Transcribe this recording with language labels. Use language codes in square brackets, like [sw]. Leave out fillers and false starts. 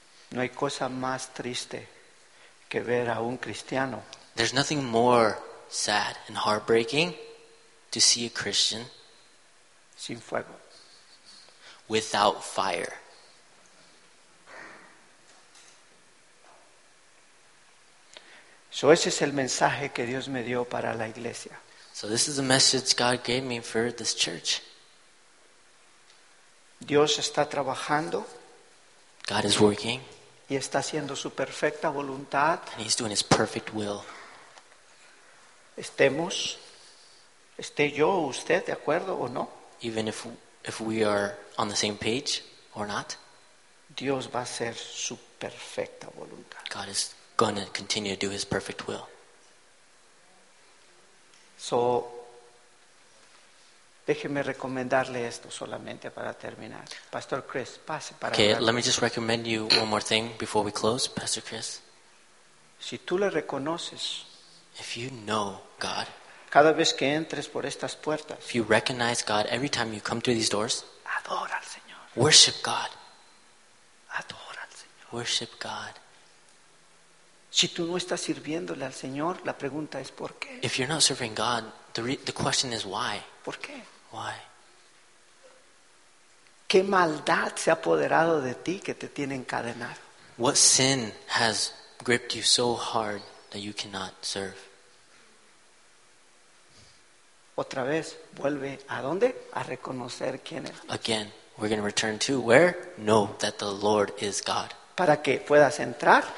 [es] No hay cosa más triste que ver a un cristiano. [en] There's nothing more sad and heartbreaking to see a Christian [es] sin fuego. [en] Without fire. [es] So ese es el mensaje que Dios me dio para la iglesia. [en] So this is the message God gave me for this church. [es] Dios está trabajando. [en] God is working. [es] Y está haciendo su perfecta voluntad. [en] And He's doing His perfect will. [es] Estemos, esté yo o usted de acuerdo o no. [en] Even if we are on the same page or not. [es] Dios va a hacer su perfecta voluntad. [en] God is going to continue to do His perfect will. [es] So, déjeme recomendarle esto solamente para terminar. Pastor Chris, pase para [en] okay, let me just recommend you one more thing before we close, Pastor Chris. [es] Si tú le reconoces, [en] if you know God, [es] cada vez que entres por estas puertas, [en] if you recognize God every time you come through these doors, [es] adora al Señor. [en] Worship God. [es] Adora al Señor. [en] Worship God. [es] Si tú no estás sirviéndole al Señor, la pregunta es ¿por qué? [en] If you're not serving God, the question is why? [es] ¿Por qué? [en] Why? [es] ¿Qué maldad se ha apoderado de ti que te tiene encadenado? [en] What sin has gripped you so hard that you cannot serve? [es] Otra vez, vuelve ¿a dónde? A reconocer quién es. [en] Again, we're going to return to where? Know that the Lord is God. [es] Para que puedas entrar.